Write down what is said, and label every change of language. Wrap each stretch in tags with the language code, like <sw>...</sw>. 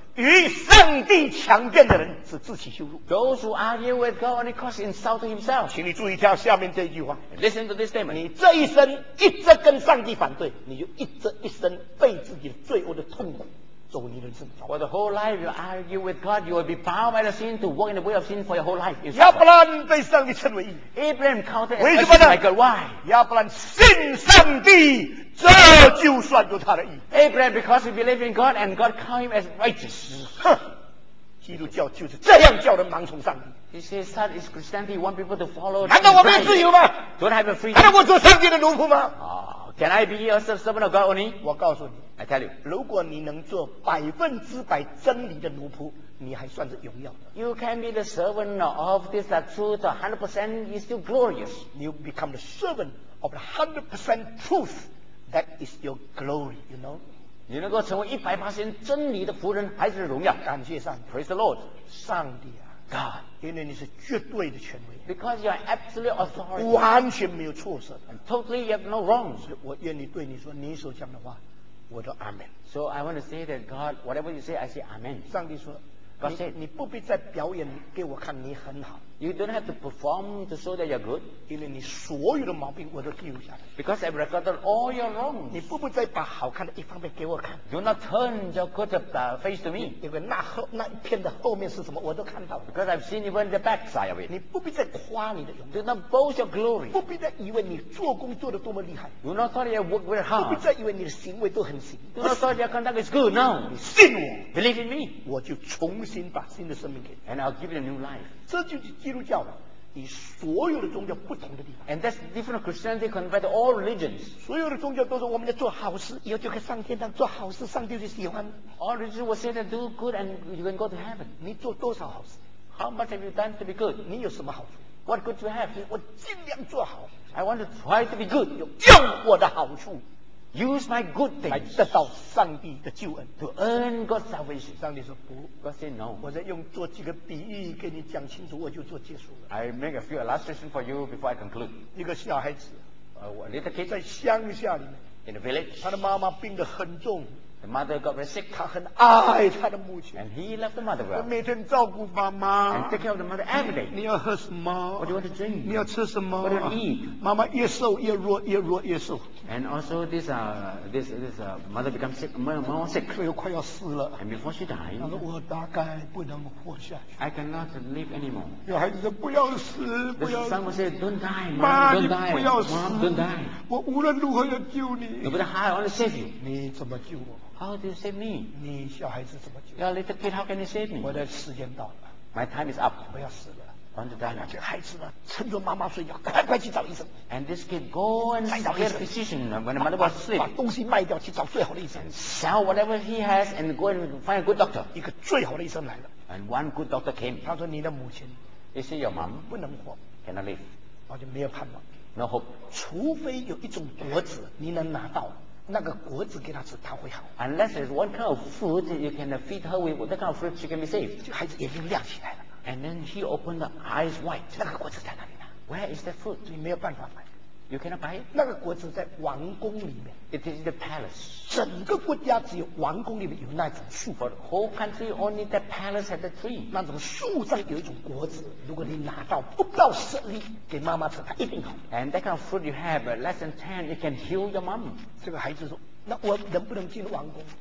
<zh>与上帝强辩的人是自取羞辱。</zh> <en>Those who argue with God only cause insult to himself.</en> <zh>请你注意听下面这句话。</zh> <en>Listen to this statement.</en> <zh>你这一生一直跟上帝反对，你就一直一生被自己的罪恶的痛苦走你人生。</zh> <en>For the whole life you argue with God, you will be bound by the sin to walk in the way of sin for your whole life.</en> <zh>亚伯兰被上帝称为义。</zh> <en>Abraham counted as just like God. Why?</en> <zh>亚伯兰信上帝。这就算有他的意义。</zh> <en>Abraham, because he believed in God and God counted him as righteous.</en> <zh>基督教就是这样叫人盲从上帝。</zh> <en>He says that is Christianity, want people to follow.</en> <zh>难道我没有自由吗？</zh> <en>Don't have a free.</en> <zh>难道我做上帝的奴仆吗？</zh> <en>Can I be a servant of God only?</en> <zh>我告诉你，</zh> <en>I tell you,</en> <zh>如果你能做百分之百真理的奴仆，你还算是荣耀的。</zh> <en>You can be the servant of this truth 100% is still glorious. You become the servant of the 100% truth. That is your glory, you know.</en> <zh>你能够成为100%真理的仆人，还是荣耀？感谢上帝</zh> <en>，Praise the Lord.</en> <zh>上帝啊</zh> <en>，God.</en> <zh>因为你是绝对的权威。</zh> <en>Because you are absolute authority.</en> <zh>完全没有错色的。</zh> <en>And totally, you have no wrongs.</en> <zh>我愿意对你说，你所讲的话，我都 Amen.</zh> <en>So I want to say that God, whatever you say, I say Amen.</en> <zh>上帝说</zh> <en>，God said,</en> <zh>你不必再表演给我看，你很好。</zh> <en>You don't have to perform to show that you're good.</en> <zh>因为你所有的毛病我都记录下来。</zh> <en>Because I've recorded all your wrongs.</en> <zh>你不再把好看的一方面给我看。</zh> <en>Do not turn your good face to me.</en> <zh>因为那一片的后面是什么我都看到。</zh> <en>Because I've seen even the back side of it.</en> <zh>你不必再夸你的荣耀。</zh> <en>Do not boast your glory.</en> <zh>不必再以为你做工做得多么厉害。</zh> <en>Do not thought you work very hard.</en> <zh>不必再以为你的行为都很行。</zh> <en>Do not thought your conduct is good. No.</en> <zh>你信我。</zh> <en>Believe in me.</en> <zh>我就重新把新的生命给你。</zh> <en>And I'll give you a new life.</en> <zh>这就是基督教了，与所有的宗教不同的地方。</zh> <en>And that's different Christianity compared to all religions.</en> <zh>所有的宗教都说我们要做好事，以后就可以上天堂。做好事，上帝就喜欢。</zh> <en>All religions will say that do good and you can go to heaven.</en> <zh>你做多少好事</zh> <en>？How much have you done to be good?</en> <zh>你有什么好处</zh> <en>？What good do you have?</en> <zh>我尽量做好。</zh> <en>I want to try to be good.</en> <zh>用我的好处</zh> <en>，use my good things，</en> <zh>来得到上帝的救恩</zh> <en>，to earn God's salvation.</en> <zh>上帝说不。</zh> <en>God said no.</en> <zh>我在用做几个比喻给你讲清楚，我就做结束了。</zh> <en>I make a few illustrations for you before I conclude.</en> <zh>一个小孩子</zh> <en>，a little kid，</en> <zh>在乡下里面</zh> <en>，in a village，</en> <zh>他的妈妈病得很重</zh> <en>，the mother got very sick，</en> <zh>他很爱他的母亲</zh> <en>，and he loved the mother well，</en> <zh>他每天照顾妈妈</zh> <en>，and take care of the mother every day。</en> <zh>你要喝什么</zh> <en>？What do you want to drink？</en> <zh>你要吃什么</zh> <en>？What do you eat？</en> <zh>妈妈越瘦越弱，越弱越瘦。</zh> <en>And also this mother becomes sick, mom sick.</en> <zh>又快要死了。</zh> <en>And before she died,</en> <zh>她说我大概不能活下去。</zh> <en>I cannot live anymore.</en> <zh>有孩子说不要死，不要。</zh> <en>The son said, "Don't die, mom,</en> <zh>妈</zh> <en>don't die,</en> <zh>不要死</zh> <en>mom, don't die."</en> <zh>我无论如何要救你。</zh> <en>No matter how, I want to save you.</en> <zh>你怎么救我</zh> <en>？How do you save me?</en> <zh>你小孩子怎么救</zh> <en>？Your little kid, how can you save me?</en> <zh>我的时间到了。</zh> <en>My time is up.</en> <zh>我要死了。帮着带那些孩子呢，趁着妈妈睡觉，快快去找医生。</zh> <en>And this kid go and get a physician when the mother was sleeping.</en> <zh>把东西卖掉去找最好的医生。</zh> <en>Sell whatever he has and go and find a good doctor.</en> <zh>一个最好的医生来了。</zh> <en>And one good doctor came.</en> <zh>他说你的母亲</zh> <en>，Is it your mom?</en> <zh>不能活</zh> <en>，cannot live.</en> <zh>我就没有盼望</zh> <en>，no hope.</en> <zh>除非有一种果子你能拿到。那个果子给他吃，他会好。</zh> <en>Unless there's one kind of food you can feed her with, that kind of fruit she can be saved.</en> <zh>这孩子眼睛亮起来了。</zh> <en>And then he opened the eyes wide.</en> <zh>那个果子在哪里呢</zh> <en>？Where is the fruit?</en> <zh>你没有办法买。</zh> <en>You cannot buy it.</en> <zh>那个国家在王宫里面。</zh> <en>It is the palace.</en> <zh>整个国家只有王宫里面有那种树。</zh> <en>For the whole country, only the palace had the tree.</en> <zh>那种树上有一种果子，如果你拿到不到十粒，给妈妈吃，她一定好。</zh> <en>And that kind of fruit you have, less than 10, it can heal your mom.</en> <zh>这个孩子说，那我能不能进王宫？</zh>